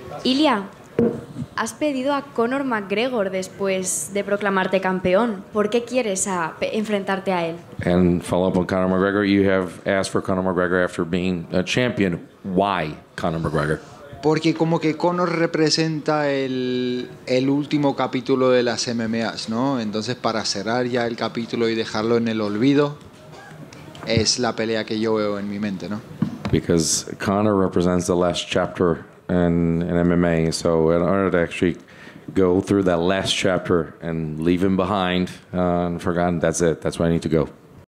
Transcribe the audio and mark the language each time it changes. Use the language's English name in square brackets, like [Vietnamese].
[Spanish] Ilia, has pedido a Conor McGregor después de proclamarte campeón. ¿Por qué quieres enfrentarte a él? [English] And follow up on Conor McGregor. You have asked for Conor McGregor after being a champion. Why Conor McGregor? [Spanish] Porque como que Conor representa el último capítulo de las MMAs, ¿no? Entonces, para cerrar ya el capítulo y dejarlo en el olvido, es la pelea que yo veo en mi mente, ¿no? [English] Because Conor represents the last chapter in MMA, so in order to actually go through that last chapter and leave him behind and forgotten, that's it. That's where I need to go.